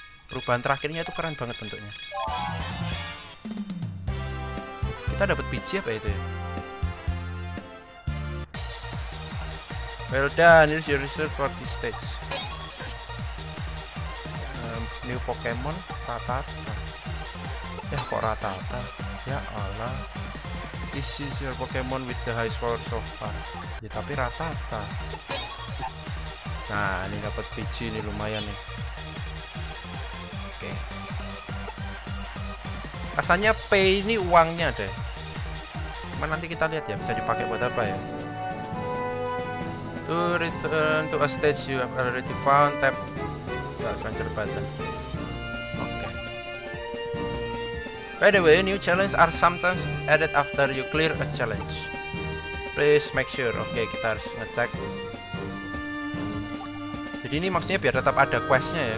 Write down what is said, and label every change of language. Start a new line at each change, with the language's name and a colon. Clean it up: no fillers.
Indonesian: Perubahan terakhirnya itu keren banget bentuknya. Kita dapat biji apa itu ya?
English: Well done, here's your research for this stage. New Pokemon,
Indonesian: rata-rata. Ya kok rata-rata? Ya Allah.
English: This is your Pokemon with the highest power so far.
Indonesian: Ya tapi rata-rata. Nah, ini dapat biji nih, lumayan nih. Rasanya pay ini uangnya deh. Cuman nanti kita lihat ya, bisa dipakai buat apa ya.
English: To return to a stage you have already found, tap adventure button. By the way, new challenge are sometimes added after you clear a challenge. Please make sure. Okay,
Indonesian: kita harus ngecek. Jadi ini maksudnya biar tetap ada questnya ya.